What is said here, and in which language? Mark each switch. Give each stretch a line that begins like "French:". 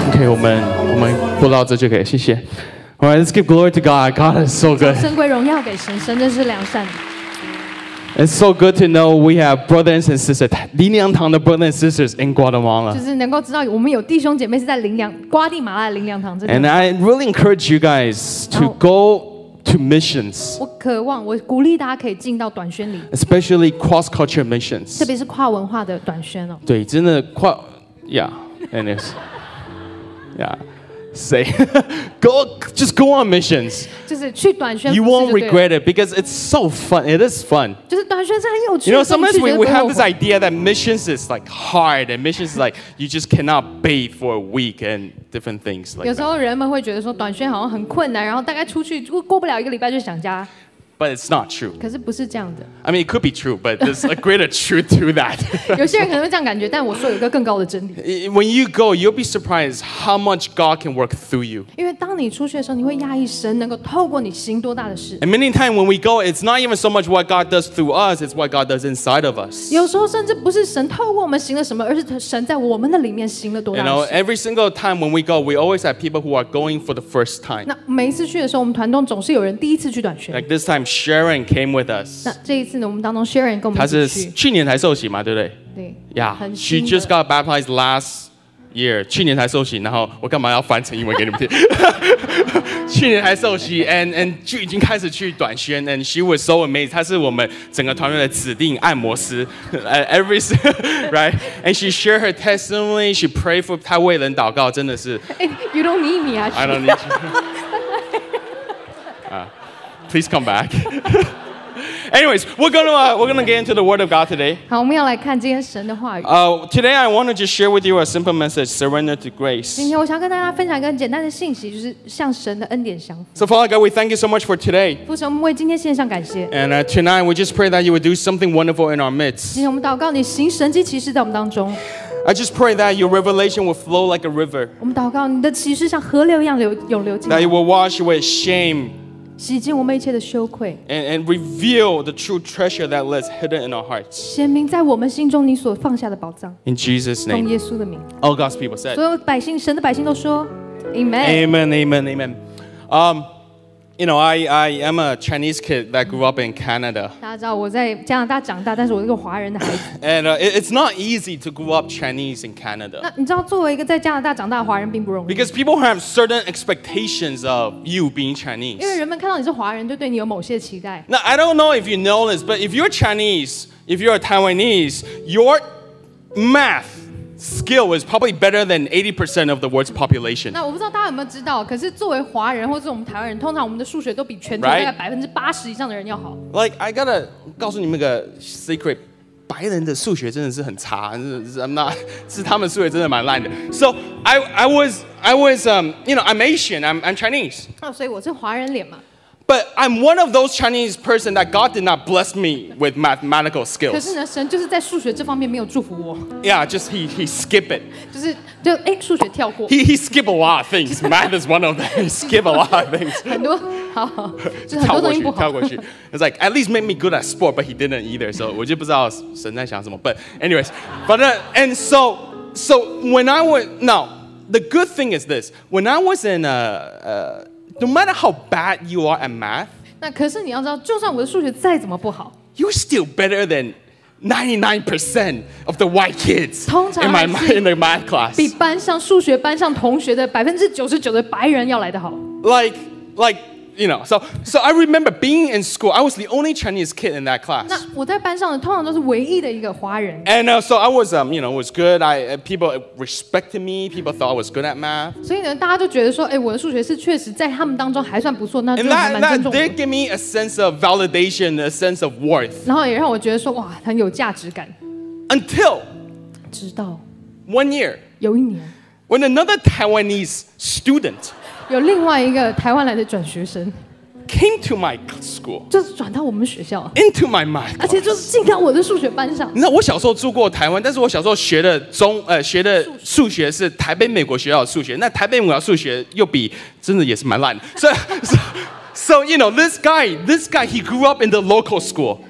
Chinese: 我们不唠这就可以，谢谢。
English: All right, let's give glory to God. God is so good.
Chinese: 掌声归荣耀给神，神真是良善。
English: It's so good to know we have brothers and sisters, 林良堂的 brothers and sisters in Guatemala.
Chinese: 就是能够知道我们有弟兄姐妹是在林良瓜地马拉的林良堂。
English: And I really encourage you guys to go to missions.
Chinese: 我渴望，我鼓励大家可以进到短宣里。
English: Especially cross-culture missions.
Chinese: 特别是跨文化的短宣哦。对，真的跨 ，
English: Yeah, and it's, yeah. Say, go. Just go on missions.
Chinese: 就是去短宣。
English: You won't regret it because it's so fun. It is fun.
Chinese: 就是短宣是很有趣。
English: You know, sometimes we have this idea that missions is like hard, and missions is like you just cannot bathe for a week and different things like.
Chinese: 有时候人们会觉得说短宣好像很困难，然后大概出去过不了一个礼拜就想家。
English: But it's not true.
Chinese: 可是不是这样的。
English: I mean, it could be true, but there's a greater truth to that.
Chinese: 有些人可能会这样感觉，但我说有一个更高的真理。
English: When you go, you'll be surprised how much God can work through you.
Chinese: 因为当你出去的时候，你会讶异神能够透过你行多大的事。
English: And many times when we go, it's not even so much what God does through us, it's what God does inside of us.
Chinese: 有时候甚至不是神透过我们行了什么，而是神在我们的里面行了多大的事。
English: You know, every single time when we go, we always have people who are going for the first time.
Chinese: 那每一次去的时候，我们团队总是有人第一次去短宣。
English: Like this time. Sharon came with us.
Chinese: 那这一次呢，我们当中 Sharon 跟我们一起去。她是去年才受洗嘛，对不对？对。
English: Yeah. She just got baptized last year.
Chinese: 去年才受洗，然后我干嘛要翻成英文给你们听？去年才受洗 ，and 就已经开始去短宣 ，
English: and she was so amazed.
Chinese: 她是我们整个团队的指定按摩师 ，
English: every right. And she shared her testimony. She prayed for
Chinese: 她为人祷告，真的是。
English: You don't need me, actually. I don't need you. Please come back. Anyways, we're gonna get into the Word of God today.
Chinese: 好，我们要来看今天神的话语。
English: Today I want to just share with you a simple message: surrender to grace.
Chinese: 今天我想跟大家分享一个很简单的信息，就是向神的恩典降服。
English: So Father God, we thank you so much for today.
Chinese: 父神，我们为今天献上感谢。
English: And tonight we just pray that you would do something wonderful in our midst.
Chinese: 今天我们祷告你行神迹奇事在我们当中。
English: I just pray that your revelation will flow like a river.
Chinese: 我们祷告你的启示像河流一样流涌流进。
English: That you will wash away shame.
Chinese: 洗净我们一切的羞愧
English: and reveal the true treasure that lives hidden in our hearts.
Chinese: 显明在我们心中你所放下的宝藏
English: In Jesus' name.
Chinese: 奉耶稣的名
English: All God's people said.
Chinese: 所有百姓神的百姓都说 Amen.
English: Amen, amen, amen. You know, I am a Chinese kid that grew up in Canada.
Chinese: 大家知道我在加拿大长大，但是我是一个华人的孩子。
English: And it's not easy to grow up Chinese in Canada.
Chinese: 那你知道，作为一个在加拿大长大的华人，并不容易。
English: Because people have certain expectations of you being Chinese.
Chinese: 因为人们看到你是华人，就对你有某些期待。
English: Now I don't know if you know this, but if you're Chinese, if you're a Taiwanese, your math. Skill is probably better than 80% of the world's population.
Chinese: 那我不知道大家有没有知道，可是作为华人或者我们台湾人，通常我们的数学都比全球大概80%以上的人要好。
English: Right? Like I gotta
Chinese: 告诉你们个 secret， 白人的数学真的是很差，是他们数学真的蛮烂的。
English: So I was I'm Asian, I'm Chinese.
Chinese: 所以我是华人脸嘛。
English: But I'm one of those Chinese person that God did not bless me with mathematical skills.
Chinese: 可是呢，神就是在数学这方面没有祝福我。
English: Yeah, just he skip it.
Chinese: 就哎，数学跳过。
English: He skip a lot of things. Math is one of them. He skip a lot of things.
Chinese: 很多好，就很多东西不好。跳过去。
English: It's like at least make me good at sport, but he didn't either. So
Chinese: 我就不知道神在想什么。
English: But anyways, but and so when I was now the good thing is this: when I was in No matter how bad you are at math,
Chinese: 那可是你要知道，就算我的数学再怎么不好
English: ，you're still better than 99% of the white kids.
Chinese: 通常
English: in the math class,
Chinese: 比班上数学班上同学的99%的白人要来得好。
English: Like you know, so I remember being in school. I was the only Chinese kid in that class.
Chinese: 那我在班上的通常都是唯一的一个华人。
English: And so I was you know, was good. I people respected me. People thought I was good at math.
Chinese: 所以呢，大家都觉得说，哎，我的数学是确实在他们当中还算不错，那就还蛮尊重
English: 的。And that did give me a sense of validation, a sense of worth.
Chinese: 然后也让我觉得说，哇，很有价值感。
English: Until
Chinese: 直到
English: one year
Chinese: 有一年
English: when another Taiwanese student.
Chinese: 有另外一个台湾来的转学生
English: ，came to my school，
Chinese: 就是转到我们学校
English: ，into my math，
Chinese: 而且就是进到我的数学班上。你知道我小时候住过台湾，但是我小时候学的学的数学是台北美国学校的数学，那台北美国数学又比真的也是蛮烂的。
English: So you know this guy he grew up in the local school，